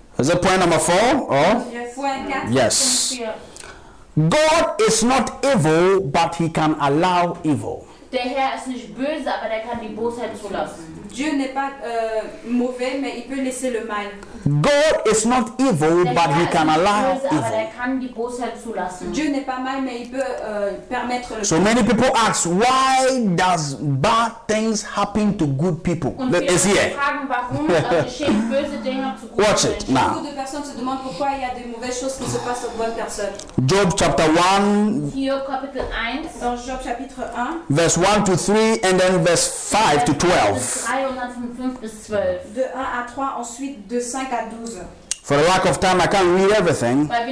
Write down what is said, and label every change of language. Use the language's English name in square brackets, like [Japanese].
[English] Is that point number four? Oh? Yes. God is not evil, but he can allow evil. [German] Der Herr ist nicht böse, aber der kann die Bosheit zulassen. [French] Dieu n'est pas mauvais, mais il peut laisser le mal. [English] God is not evil, but he can allow evil. [German] Aber der kann die Bosheit zulassen. [French] Dieu n'est pas mal, mais il peut permettre le mal. [English] So many people ask, why does bad things happen to good people? [German] Und viele fragen, warum geschehen böse Dinge zu guten Menschen? [English] Watch it now. [French] Beaucoup de personnes se demandent pourquoi il y a des mauvaises choses qui se passent aux bonnes personnes. [English] Job chapter 1. [German] Hiob Kapitel 1. [French] Dans Job chapitre 1. [English] Verse 1 to 3 and then verse 5 to 12. [French] De 1 à 3, ensuite de 5 à 12. [English] For the lack of time, I can't read everything.